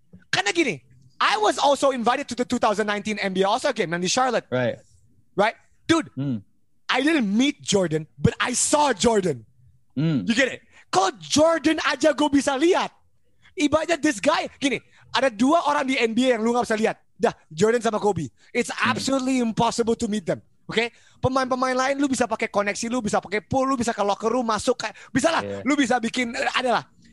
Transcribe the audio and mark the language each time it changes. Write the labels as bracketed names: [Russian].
[Indonesian] Karena gini, [English] I was also invited to the 2019 NBA All-Star Game in Charlotte. Right? Dude, I didn't meet Jordan, but I saw Jordan. You get it? [Indonesian] Kalau Jordan aja gue bisa lihat. Ibaratnya [English] this guy, [Indonesian] gini, ada dua orang di NBA yang lu gak bisa lihat. Dah, Jordan sama Kobe. [English] It's absolutely impossible to meet them. Okay? [Indonesian] Pemain-pemain lain, lu bisa pakai koneksi, lu bisa pakai pool, lu bisa ke locker room, masuk. Bisa lah, lu bisa bikin, adalah.